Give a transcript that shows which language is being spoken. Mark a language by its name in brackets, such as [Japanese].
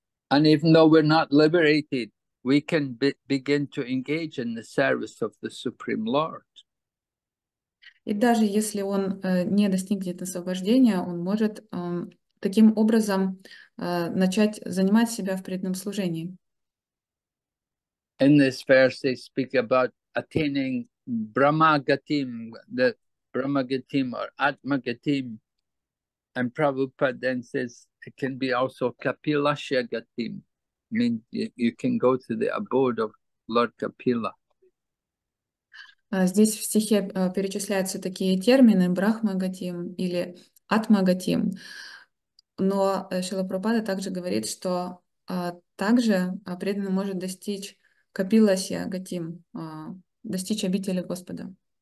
[English] And even though we're not liberated, we can begin to engage in the service of the Supreme Lord. [Russian] И даже если он не достигнет освобождения, он может таким образом начать занимать себя в преданном служении. [English] In this verse they speak about attaining Brahmagatim, the Brahmagatim or Atmagatim. And Prabhupada then says it can be also Kapilasya Gatim. I mean, you can go to the abode of Lord Kapila. [Russian] Здесь в стихе перечисляются такие термины брахмагатим или атмагатим, но Шрила Прабхупада также говорит, что также преданный может достичь капиласья гатим, достичь обители Господа.